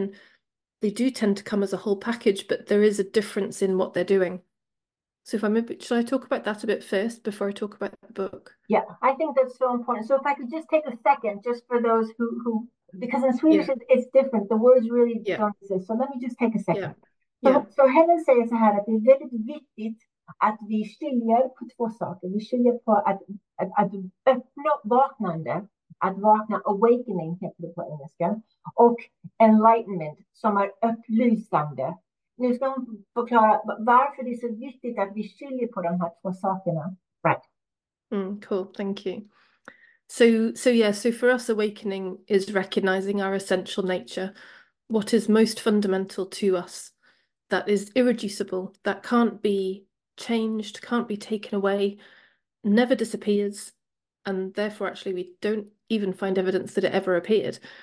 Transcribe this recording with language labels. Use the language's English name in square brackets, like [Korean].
[English] And they do tend to come as a whole package, but there is a difference in what they're doing. So should I talk about that a bit first before I talk about the book? Yeah, I think that's so important. So if I could just take a second, just for those who because in Swedish, yeah, it's different. The words really, yeah, don't exist. So let me just take a second. Yeah. So Helen says [Swedish] här att det är väldigt viktigt att vi skiljer på två saker. Vi skiljer på att öppna vaknande, att vakna, awakening heter det på engelska, och enlightenment som är upplysande. Nu ska hon förklara varför det är så viktigt att vi skiljer på de här två sakerna. Right. [English] Cool, thank you. So for us, awakening is recognizing our essential nature, what is most fundamental to us, that is irreducible, that can't be changed, can't be taken away, never disappears, and therefore actually we don't even find evidence that it ever appeared.